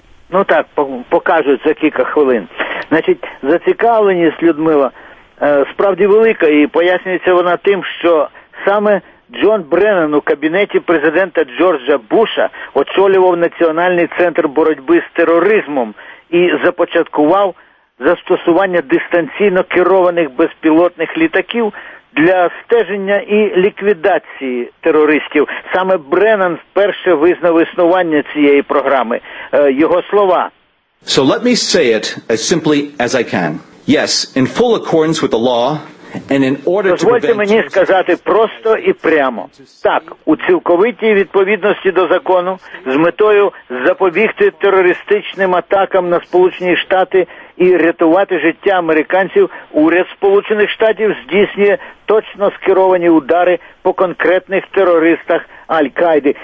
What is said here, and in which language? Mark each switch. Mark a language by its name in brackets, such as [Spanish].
[Ukrainian] Ну так, покажуть за кілька хвилин. Значить, зацікавленість, Людмила, справді велика, і пояснюється вона тим, що саме Джон Бреннан у кабінеті президента Джорджа Буша очолював Національний центр боротьби з тероризмом і започаткував застосування дистанційно керованих безпілотних літаків для стеження і ліквідації терористів. Саме Бреннан вперше визнав існування цієї програми. Його слова. [English] So let me say it as simply as I can. Yes, in full accordance with the law and in order to [Ukrainian] Дозвольте мені сказати просто і прямо. Так, у цілковитій відповідності до закону, з метою запобігти терористичним атакам на Сполучені Штати і рятувати життя американців, уряд Сполучених Штатів здійснює точно скеровані удари по конкретних терористах Аль-Каїди.